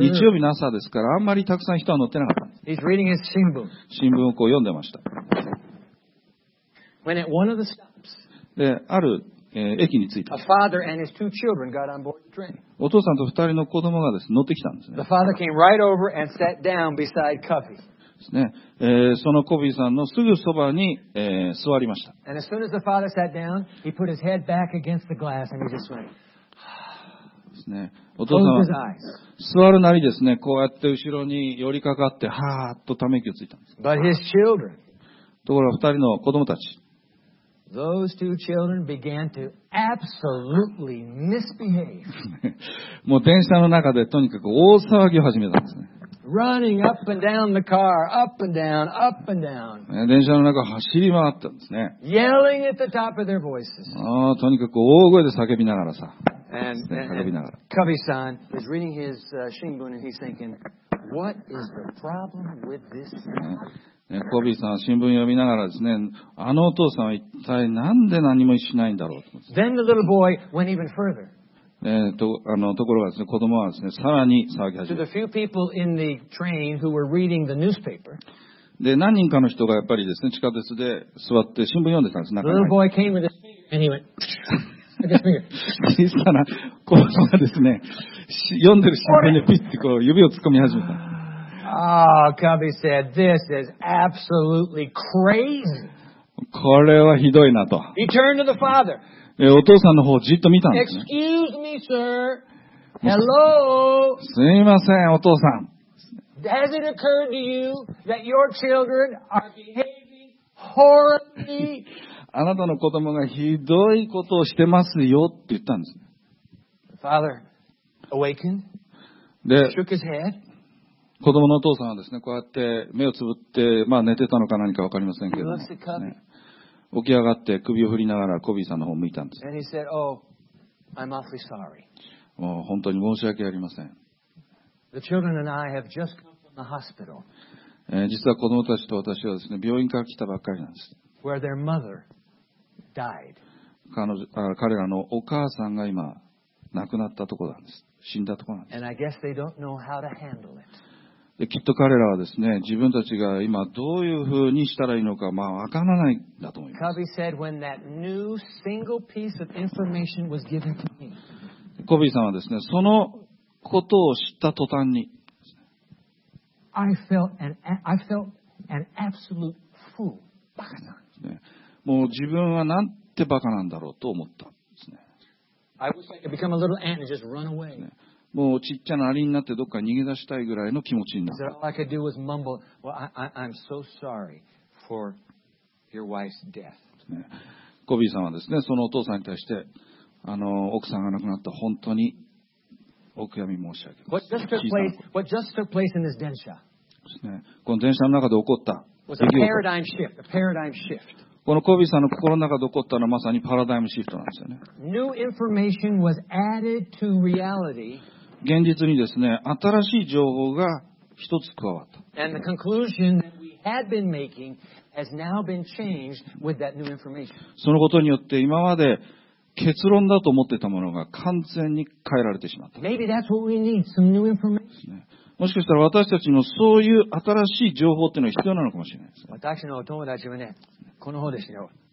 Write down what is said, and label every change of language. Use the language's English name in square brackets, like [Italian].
[Japanese] 日曜日の朝ですから、あんまりたくさん人は乗ってなかった。 [English] He's reading his 新聞。 [Japanese] 新聞をこう読んでました。 [English] When at one of the stops, [Japanese] で、ある、駅に着いた。 [English] A father and his two children got on board the train. [Japanese] お父さんと二人の子供がですね、乗ってきたんですね。 [English] The father came right over and sat down beside Covey. [Japanese] ですね。そのコビーさんのすぐそばに、座りました。 [English] And as soon as the father sat down, he put his head back against the glass and he just went. [Japanese] ですね。お父さんは座るなりですね、こうやって後ろに寄りかかって、はーっとため息をついたんです。 [English] But his children, [Japanese] ところが、二人の子供たち。 [English] Those two children began to absolutely misbehave. [Japanese] もう電車の中でとにかく大騒ぎを始めたんですね。 [English] Running up and down the car, up and down, up and down. [Japanese] 電車の中走り回ったんですね。 [English] Yelling at the top of their voices. [Japanese] とにかく大声で叫びながらさ。 [English] Kabe-san is reading his shinbun and he's thinking, what is the problem with this man? [Japanese] コビーさんは新聞を読みながらですね、あのお父さんは一体なんで何もしないんだろうと。 [English] Then the little boy went even further. [Japanese] ところがですね、子供はですね、さらに騒ぎ始めた。 [English] To the few people in the train who were reading the newspaper. [Japanese] で、何人かの人がやっぱりですね、地下鉄で座って新聞読んでたんです。 [English] The little boy came with his finger and he went. [Japanese] 小さな子供がですね、読んでる新聞にピッてこう指を突っ込み始めた。 [English] Ah,、oh, Cubby said, this is absolutely crazy. [Japanese] これはひどいなと。 [English] He turned to the father. [Japanese] お父さんの方をじっと見たんです、ね。 [English] Excuse me, sir. Hello. [Japanese] すいません、お父さん。 [English] Has it occurred to you that your children are behaving horribly? [Japanese] あなたの子供がひどいことをしてますよって言ったんです。 [English] The father awakened. Shook his head. [Japanese] 子供のお父さんはですね、こうやって目をつぶって、まあ寝てたのか何かわかりませんけど、ね、起き上がって首を振りながらコビーさんの方を向いたんです。 [English] And he said, oh, I'm awfully sorry. [Japanese] もう本当に申し訳ありません。 [English] The children and I have just come from the hospital. [Japanese] 実は子供たちと私はですね、病院から来たばっかりなんです。 [English] Where their mother died. [Japanese] 彼らのお母さんが今亡くなったところなんです。死んだところなんです。 [English] And I guess they don't know how to handle it. [Japanese] きっと彼らはですね、自分たちが今どういうふうにしたらいいのか、まあ、わからないんだと思います。 [English] Cubby said when that new single piece of information was given to me. [Japanese] コビーさんはですね、そのことを知った途端に、 [English] I felt an absolute fool. [Japanese] バカさん。もう自分はなんてバカなんだろうと思ったんですね。 [English] I wish I could become a little ant and just run away. [Japanese] もうちっちゃなアリになってどっか逃げ出したいぐらいの気持ちになった。 [English] All I could do was mumble, well, I'm so sorry for your wife's death. [Japanese] コビーさんはですね、そのお父さんに対して、奥さんが亡くなった本当にお悔やみ申し上げます。 [English] What just took place in this 電車? [Japanese] ですね、この電車の中で起こった出来事。 [English] Was a paradigm shift, a paradigm shift. [Japanese] このコビーさんの心の中で起こったのはまさにパラダイムシフトなんですよね。 [English] New information was added to reality. [Japanese] 現実にですね、新しい情報が一つ加わった。 [English] And the conclusion that we had been making has now been changed with that new information. [Japanese] そのことによって今まで結論だと思ってたものが完全に変えられてしまった。 [English] Maybe that's what we need, some new information. [Japanese] もしかしたら私たちのそういう新しい情報っていうのは必要なのかもしれないです。私のお友達はね、この方ですよ。